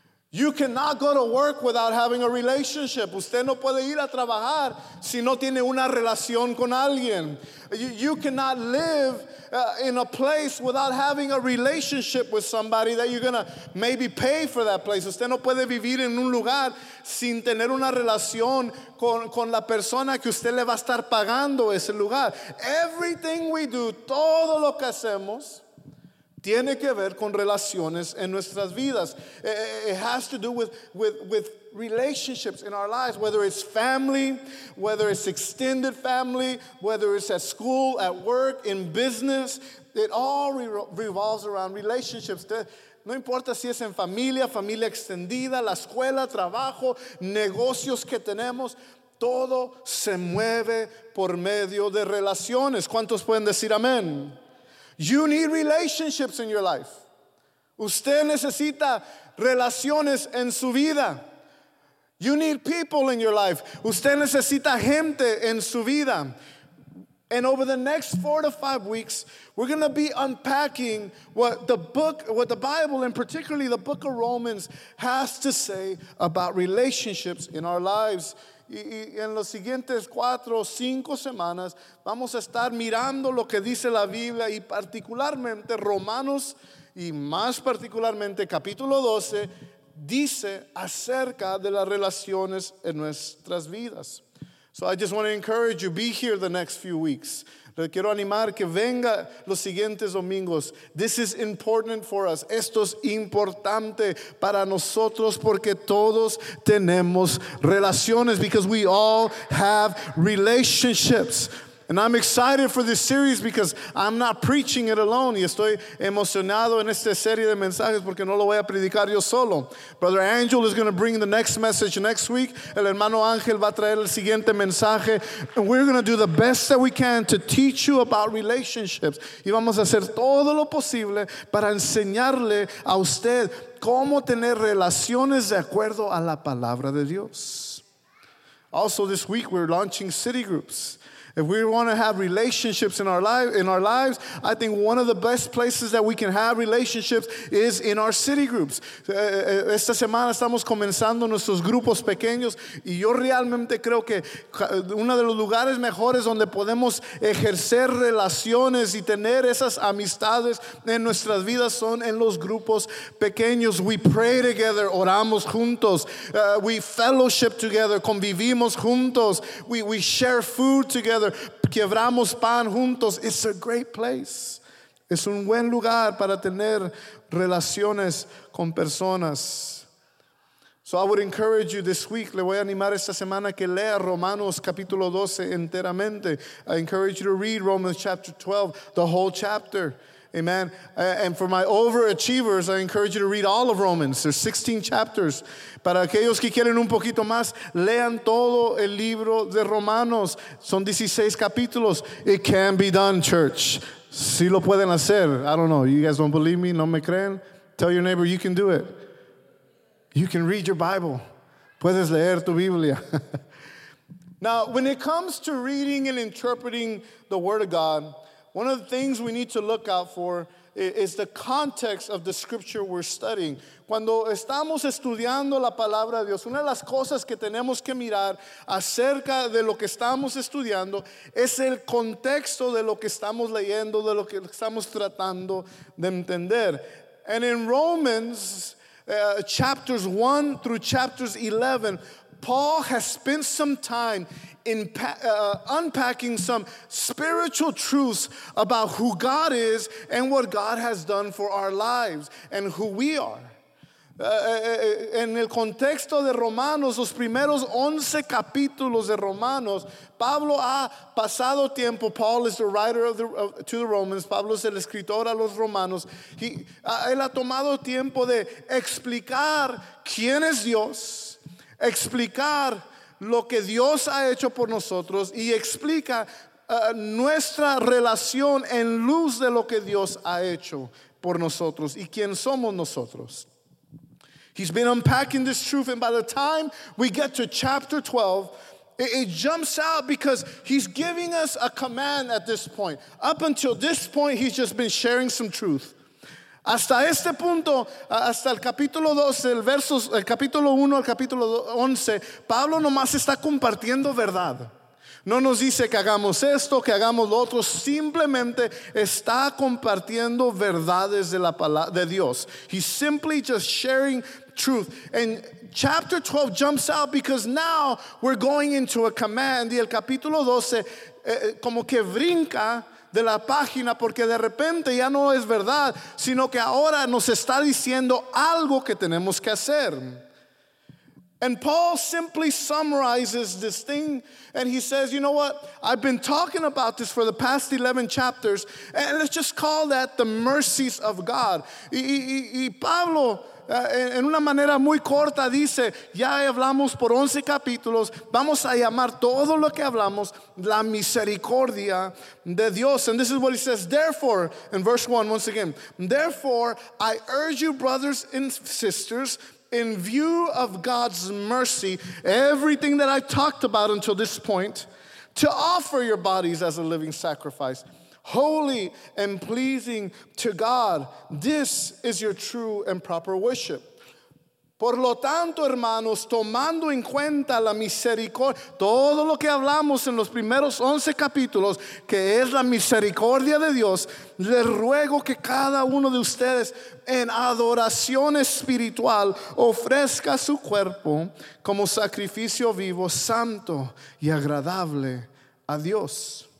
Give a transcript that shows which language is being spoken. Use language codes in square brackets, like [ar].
[en] You cannot go to work without having a relationship. [es] Usted no puede ir a trabajar si no tiene una relación con alguien. [en] You cannot live in a place without having a relationship with somebody that you're going to maybe pay for that place. [es] Usted no puede vivir en un lugar sin tener una relación con la persona que usted le va a estar pagando ese lugar. [en] Everything we do, [es] todo lo que hacemos, tiene que ver con relaciones en nuestras vidas. [en] It has to do with relationships in our lives, whether it's family, whether it's extended family, whether it's at school, at work, in business. It all revolves around relationships. [es] No importa si es en familia, familia extendida, la escuela, trabajo, negocios que tenemos. Todo se mueve por medio de relaciones. ¿Cuántos pueden decir amén? [en] You need relationships in your life. [es] Usted necesita relaciones en su vida. [en] You need people in your life. [es] Usted necesita gente en su vida. [en] And over the next 4 to 5 weeks, we're going to be unpacking what the Bible, and particularly the book of Romans, has to say about relationships in our lives. [es] Y en los siguientes 4 o 5 semanas vamos a estar mirando lo que dice la Biblia y particularmente Romanos y más particularmente capítulo 12 dice acerca de las relaciones en nuestras vidas. [en] So I just want to encourage you, be here the next few weeks. [es] Le quiero animar que venga los siguientes domingos. [en] This is important for us. [es] Esto es importante para nosotros porque todos tenemos relaciones. [en] Because we all have relationships. And I'm excited for this series because I'm not preaching it alone. [es] Y estoy emocionado en esta serie de mensajes porque no lo voy a predicar yo solo. [en] Brother Angel is going to bring the next message next week. [es] El hermano Ángel va a traer el siguiente mensaje. [en] And we're going to do the best that we can to teach you about relationships. [es] Y vamos a hacer todo lo posible para enseñarle a usted cómo tener relaciones de acuerdo a la palabra de Dios. [en] Also this week we're launching city groups. If we want to have relationships in our lives, I think one of the best places that we can have relationships is in our city groups. [es] Esta semana estamos comenzando nuestros grupos pequeños y yo realmente creo que uno de los lugares mejores donde podemos ejercer relaciones y tener esas amistades en nuestras vidas son en los grupos pequeños. [en] We pray together, [es] oramos juntos. [en] We fellowship together, [es] convivimos juntos. [en] We share food together. [es] Quebramos pan juntos. [en] It's a great place. [es] Es un buen lugar para tener relaciones con personas. [en] So I would encourage you this week, [es] le voy a animar esta semana que lea Romanos capítulo 12 enteramente. [en] I encourage you to read Romans chapter 12, the whole chapter. Amen. And for my overachievers, I encourage you to read all of Romans. There's 16 chapters. [es] Para aquellos que quieren un poquito más, lean todo el libro de Romanos. Son 16 capítulos. [en] It can be done, church. [es] Sí lo pueden hacer. [en] I don't know. You guys don't believe me? [es] No me creen? [en] Tell your neighbor, you can do it. You can read your Bible. [es] Puedes leer tu Biblia. [en] Now, when it comes to reading and interpreting the Word of God, one of the things we need to look out for is the context of the scripture we're studying. [es] Cuando estamos estudiando la palabra de Dios, una de las cosas que tenemos que mirar acerca de lo que estamos estudiando es el contexto de lo que estamos leyendo, de lo que estamos tratando de entender. [en] And in Romans, chapters 1 through chapters 11, Paul has spent some time unpacking some spiritual truths about who God is and what God has done for our lives and who we are. [es] En el contexto de Romanos, los primeros 11 capítulos de Romanos, Pablo ha pasado tiempo. [en] Paul is the writer to the Romans. [es] Pablo es el escritor a los Romanos. Él ha tomado tiempo de explicar quién es Dios, explicar lo que Dios ha hecho por nosotros y explica nuestra relación en luz de lo que Dios ha hecho por nosotros y quién somos nosotros. [en] He's been unpacking this truth, and by the time we get to chapter 12, it jumps out because he's giving us a command at this point. Up until this point, he's just been sharing some truth. [es] Hasta este punto, hasta el capítulo 12, el capítulo 1 al capítulo 11, Pablo nomás está compartiendo verdad. No nos dice que hagamos esto, que hagamos lo otro. Simplemente está compartiendo verdades de la palabra de Dios. [en] He's simply just sharing truth. And chapter 12 jumps out because now we're going into a command. [es] Y el capítulo 12 como que brinca de la página porque de repente ya no es verdad, sino que ahora nos está diciendo algo que tenemos que hacer. [en] And Paul simply summarizes this thing and he says, you know what? I've been talking about this for the past 11 chapters, and let's just call that the mercies of God. [es] Y Pablo, en una manera muy corta, dice, ya hablamos por 11 capítulos, vamos a llamar todo lo que hablamos la misericordia de Dios. [en] And this is what he says, therefore, in verse 1, once again, therefore, I urge you, brothers and sisters, in view of God's mercy, everything that I've talked about until this point, to offer your bodies as a living sacrifice, holy and pleasing to God. This is your true and proper worship. [es] Por lo tanto, hermanos, tomando en cuenta la misericordia, todo lo que hablamos en los primeros 11 capítulos, que es la misericordia de Dios, les ruego que cada uno de ustedes en adoración espiritual ofrezca su cuerpo como sacrificio vivo, santo y agradable a Dios.